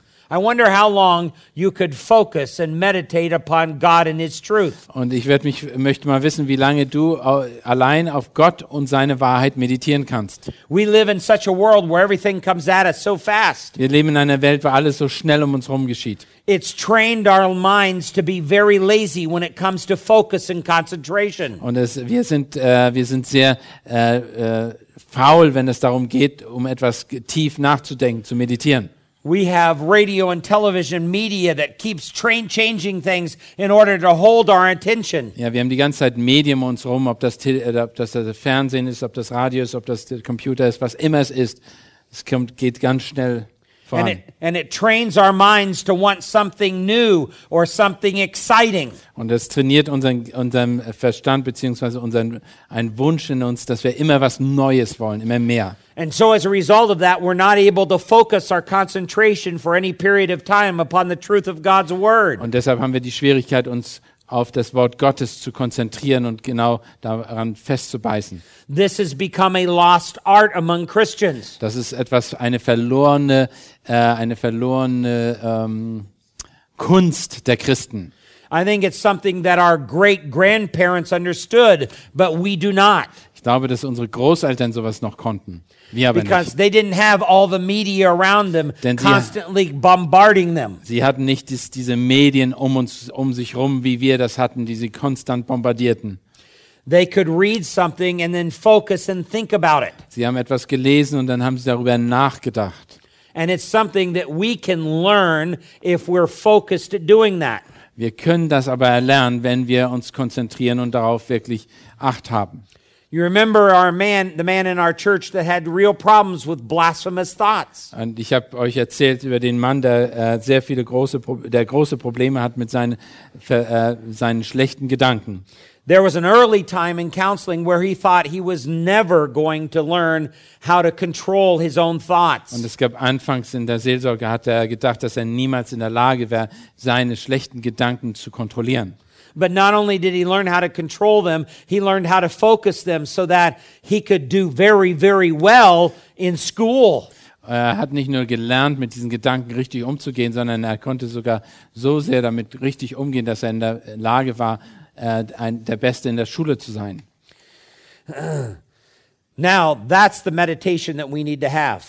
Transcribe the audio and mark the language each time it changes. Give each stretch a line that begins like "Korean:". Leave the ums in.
English: I wonder how long you could focus and meditate upon God and his truth.
German: Und ich werde mich möchte mal wissen, wie lange du allein auf Gott und seine Wahrheit meditieren kannst.
English: We live in such a world where everything comes at us so fast.
German: Wir leben in einer Welt, wo alles so schnell um uns herum geschieht.
English: It's trained our minds to be very lazy when it comes to focus and concentration.
German: Und es, wir sind äh, wir sind sehr äh, äh, faul, wenn es darum geht, um etwas tief nachzudenken, zu meditieren.
English: We have radio and television media that keeps changing things in order to hold our attention.
German: Ja, wir haben die ganze Zeit Medien uns rum, ob das, Tele äh, ob das das Fernsehen ist, ob das Radio ist, ob das der Computer ist, was immer es ist. Es kommt, geht ganz schnell.
English: And it, and, it, trains our minds to want something new or something exciting.
German: Und trainiert unseren unserem Verstand beziehungsweise unseren einen Wunsch in uns, dass wir immer was Neues wollen, immer mehr.
English: And so as a result of that, we're not able to focus our concentration for any period of time upon the truth of God's word.
German: Und deshalb haben wir die Schwierigkeit uns auf das Wort Gottes zu konzentrieren und genau daran festzubeißen.
English: This has become a lost art among Christians.
German: Das ist etwas eine verlorene äh, eine verlorene ähm, Kunst der Christen.
English: I think it's something that our great grandparents understood, but we do not.
German: Ich glaube, dass unsere Großeltern sowas noch konnten. Wir aber
English: Because
German: nicht.
English: Them,
German: Denn sie, sie, hatten nicht dies, diese Medien um uns um sich rum, wie wir das hatten, die sie konstant bombardierten. Sie haben etwas gelesen und dann haben sie darüber nachgedacht.
English: And it's something that we that.
German: Wir können das aber erlernen, wenn wir uns konzentrieren und darauf wirklich acht haben.
English: You remember our man, the man in our church that had real problems with blasphemous thoughts.
German: Und ich habe euch erzählt über den Mann, der sehr viele große der große Probleme hat mit seinen seinen schlechten Gedanken.
English: There was an early time in counseling where he thought he was never going to learn how to control his own thoughts.
German: Und es gab anfangs in der Seelsorge hat er gedacht, dass er niemals in der Lage wäre, seine schlechten Gedanken zu kontrollieren
English: but not only did he learn how to control them, he learned how to focus them so that he could do very, very well in school.
German: Er hat nicht nur gelernt, mit diesen Gedanken richtig umzugehen, sondern er konnte sogar so sehr damit richtig umgehen, dass er in der Lage war, äh, ein, der Beste in der Schule zu sein.
English: Now, that's the meditation that we need to have.